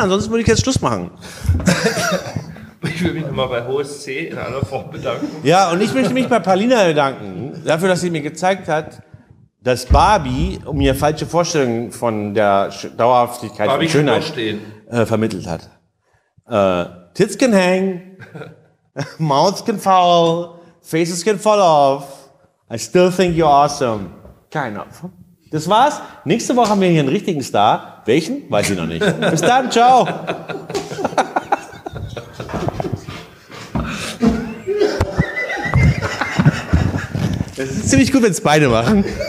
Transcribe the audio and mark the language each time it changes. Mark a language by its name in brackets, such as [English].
[German] Ansonsten würde ich jetzt Schluss machen. Ich will mich nochmal bei Hohes C in aller Form bedanken. Ja, und ich möchte mich bei Paulina bedanken, dafür, dass sie mir gezeigt hat, dass Barbie mir falsche Vorstellungen von der Dauerhaftigkeit Barbie und Schönheit stehen. Vermittelt hat. [English] Tits can hang, mouths can fall, faces can fall off, I still think you're awesome. Kind of. [German] Das war's. Nächste Woche haben wir hier einen richtigen Star. Welchen? Weiß ich noch nicht. Bis dann, ciao. Es ist ziemlich gut, wenn es beide machen.